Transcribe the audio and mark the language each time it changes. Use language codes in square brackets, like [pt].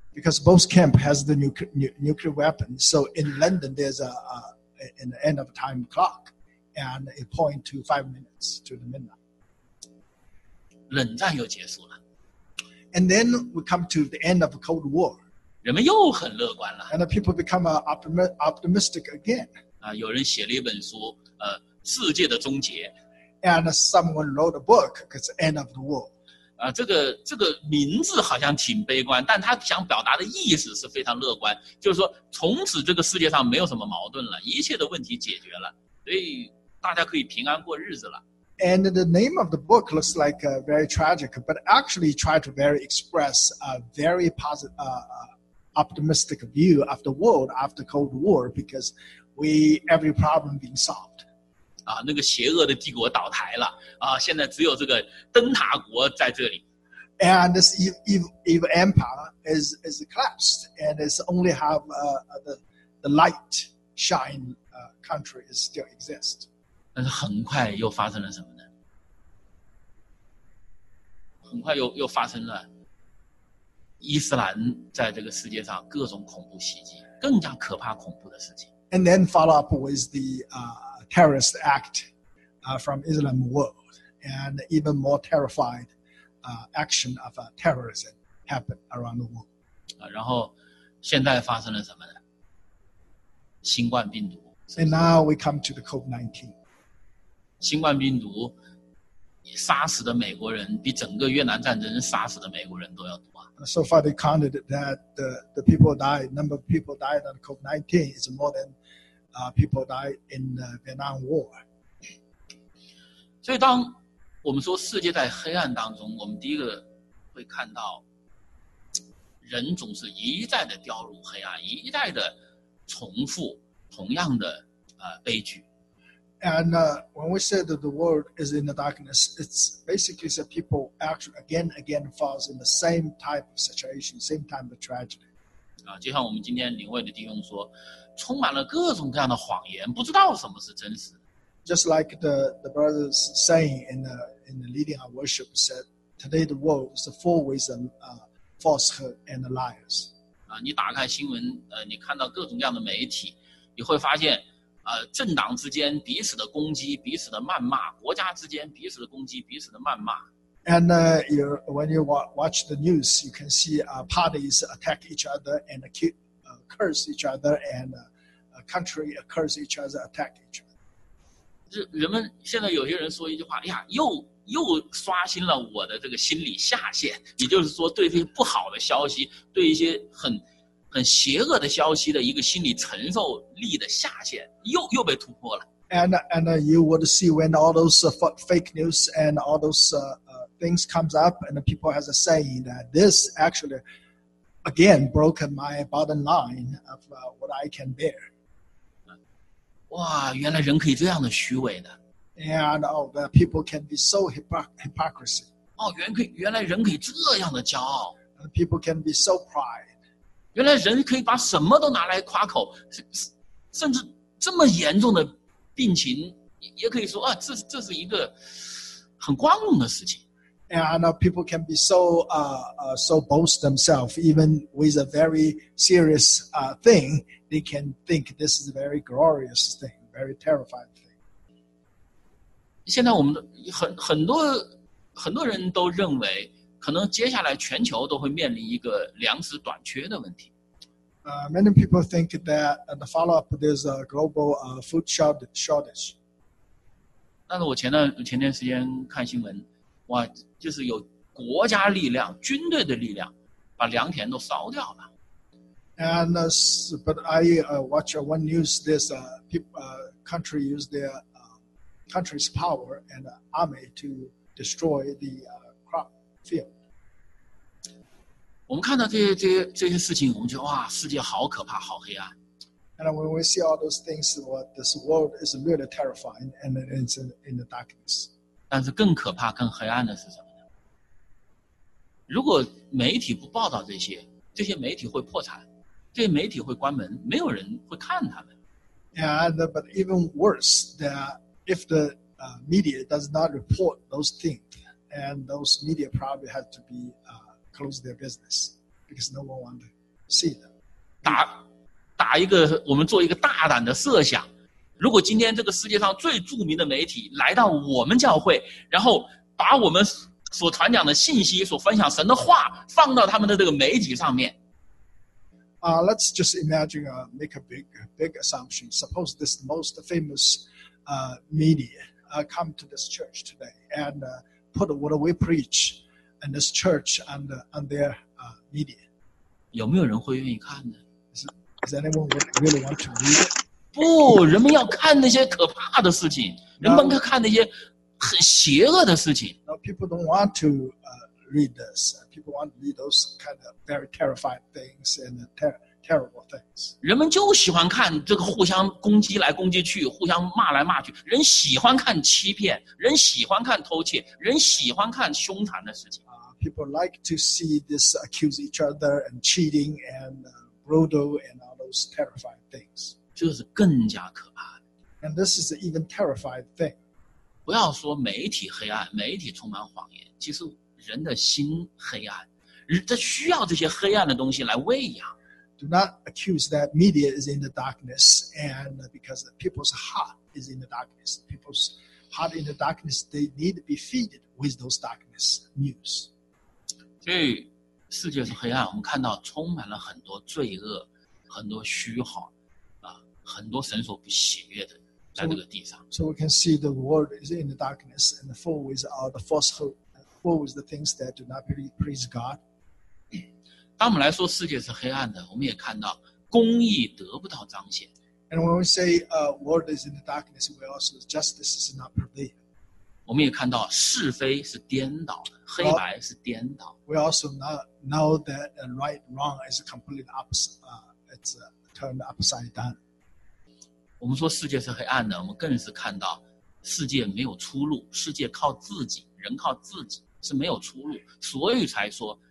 [en] Because both camp has the nuclear weapons, so in London there's an end of time clock. And it point to 5 minutes to the midnight. [zh] 冷战又结束了。 [en] And then we come to the end of the Cold War. [zh] 人们又很乐观了。 [en] And the people become optimistic again. [zh] 有人写了一本书，世界的终结。 [en] And someone wrote a book, it's the end of the world. [zh] 这个名字好像挺悲观，但他想表达的意思是非常乐观，就是说从此这个世界上没有什么矛盾了，一切的问题解决了。所以大家可以平安过日子了。 [en] And the name of the book looks like very tragic, but actually try to very express a very positive, optimistic view of the world after Cold War because every problem being solved. [zh] 那个邪恶的帝国倒台了，现在只有这个灯塔国在这里。 [en] And this evil empire is collapsed, and it's only have the light shine. Country is still exist. [zh] 但是很快又发生了什么呢？很快又发生了伊斯兰在这个世界上各种恐怖袭击，更加可怕恐怖的事情。 [en] And then follow up with the terrorist act from Islam world, and even more terrified action of terrorism happened around the world. [zh] 然后现在发生了什么呢？新冠病毒。 [en] And now we come to the COVID-19. [zh] 新冠病毒杀死的美国人比整个越南战争杀死的美国人都要多。 [en] So far they counted that number of people died on COVID-19 is more than people died in the Vietnam War. [zh] 所以当我们说世界在黑暗当中，我们第一个会看到人总是一再的掉入黑暗，一再的重复。同样的悲剧。 [en] And when we say that the world is in the darkness, it's basically that people actually again falls in the same type of situation, same type of tragedy. [zh] 就像我们今天领会的弟兄说，充满了各种各样的谎言，不知道什么是真实。 [en] Just like the brothers saying in the leading our worship said, today the world is full with falsehood and liars. [zh] 你打开新闻，你看到各种各样的媒体。你会发现，政党之间彼此的攻击，彼此的谩骂；国家之间彼此的攻击，彼此的谩骂。 [en] And when you watch the news, you can see parties attack each other and curse each other, and a country curse each other, attack each other. [zh] 人们现在有些人说一句话：“哎呀，又刷新了我的这个心理下限。” 也就是说，对这些不好的消息，对一些很邪恶的消息的一个心理承受力的下限又被突破了。 [en] And you would see when all those fake news and all those things comes up, and people has a saying that this actually again broken my bottom line of what I can bear. [zh] 哇，原来人可以这样的虚伪的。 [en] And oh, the people can be so hypocrisy. [zh] 哦，原来人可以这样的骄傲。 [en] And people can be so pride. [zh] 原来人可以把什么都拿来夸口，甚至这么严重的病情，也可以说啊，这是一个很光荣的事情。 [en] And I know people can be so boast themselves, even with a very serious thing, they can think this is a very glorious thing, very terrifying thing. [zh] 现在我们很多人都认为，可能接下来全球都会面临一个粮食短缺的问题。 [en] Many people think that the follow-up is a global food shortage. [zh] 但是我前段时间看新闻，哇，就是有国家力量、军队的力量，把粮田都烧掉了。 [en] And but I watch one news. This country use their country's power and army to destroy the crop field. [zh] 我们看到这些事情，我们觉得哇，世界好可怕，好黑暗。 [en] And when we see all those things, what this world is really terrifying, and it's in the darkness. [zh] 但是更可怕、更黑暗的是什么呢？如果媒体不报道这些媒体会破产，这些媒体会关门，没有人会看他们。 [en] And but even worse, that if the media does not report those things, and those media probably have to be close their business because no one want to see them. [zh] 打一个，我们做一个大胆的设想，如果今天这个世界上最著名的媒体来到我们教会，然后把我们所传讲的信息、所分享神的话放到他们的这个媒体上面。 [en] Let's just imagine, make a big assumption. Suppose this most famous media come to this church today and put what we preach. And this church and their media. [zh] 有没有人会愿意看呢？ [en] Is anyone really want to read it? [zh] 不，人们要看那些可怕的事情，人们要看那些很邪恶的事情。 [en] No, people don't want to read this. People want to read those kind of very terrifying things and terrible things. [zh] 人们就喜欢看这个互相攻击来攻击去，互相骂来骂去。人喜欢看欺骗，人喜欢看偷窃，人喜欢看凶残的事情。 [en] People like to see this accuse each other and cheating and brutal and all those terrifying things. [zh] 这是更加可怕的。 [en] And this is an even terrifying thing. [zh] 不要说媒体黑暗，媒体充满谎言，其实人的心黑暗，他需要这些黑暗的东西来喂养。 [en] Do not accuse that media is in the darkness, and because people's heart is in the darkness, people's heart in the darkness, they need to be fed with those darkness news. [zh] 所以世界是黑暗，我们看到充满了很多罪恶，很多虚谎，啊，很多神所不喜悦的，在这个地上。 [en] So we can see the world is in the darkness and full with all the falsehood, full with the things that do not please God. [zh] 当我们来说世界是黑暗的，我们也看到公义得不到彰显。 [en] And when we say world is in the darkness, we also justice is not prevailed. [zh] 我们也看到是非是颠倒的，黑白是颠倒。 [en] We also know that right wrong is completely opposite. It's turned upside down. [zh] 我们说世界是黑暗的，我们更是看到世界没有出路，世界靠自己，人靠自己是没有出路，所以才说。